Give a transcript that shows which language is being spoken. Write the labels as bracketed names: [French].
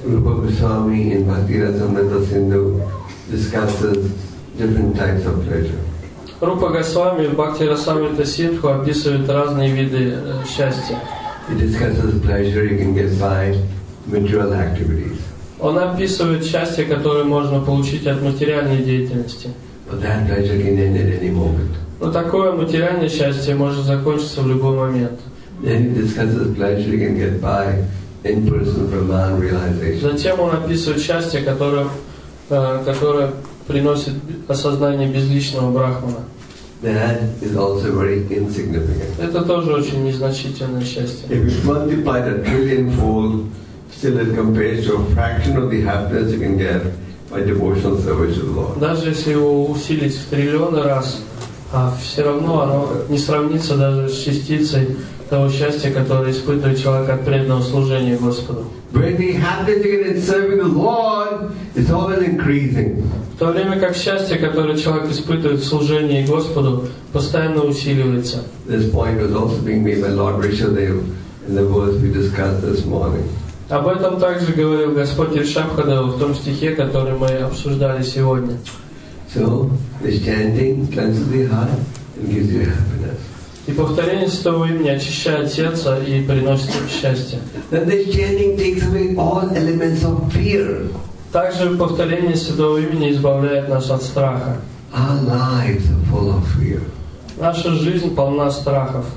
[English] Rupa Goswami in Bhaktirasamrita Sindhu discusses different types of pleasure. [Russian] Rupa Goswami в Бхактирасамрита Синдху описывает разные виды счастья. [English] He discusses pleasure you can get by material activities. [Russian] Он описывает счастье, которое можно получить от материальной деятельности. [English] But that pleasure can end at any moment. [Russian] Но такое материальное счастье может закончиться в любой момент. [English] Then he discusses pleasure you can get by in person Brahman realization. [Russian] Затем он описывает счастье, которое приносит осознание безличного брахмана. [English] That is also very insignificant. [Russian] Это тоже очень незначительное счастье. [English] If you multiply the trillionfold, still it compares to a fraction of the happiness you can get by devotional service to the Lord. [Russian] Даже если его усилить в триллионы раз, А все равно оно не сравнится даже с частицей того счастья, которое испытывает человек от преданного служения Господу. В то время как счастье, которое человек испытывает в служении Господу, постоянно усиливается. [English] This point was also being made by Lord Rishadev in the verse we discussed this morning. [Russian] Об этом также говорил Господь Ришабхадев в том стихе, который мы обсуждали сегодня. [English] So, the chanting cleanses the heart and gives you happiness. [Russian] И повторение святого имени очищает сердце и приносит счастье. [English] Then the chanting takes away all elements of fear. [Russian] Также повторение святого имени избавляет нас от страха. [English] Our lives are full of fear. [Russian] Наша жизнь полна страхов.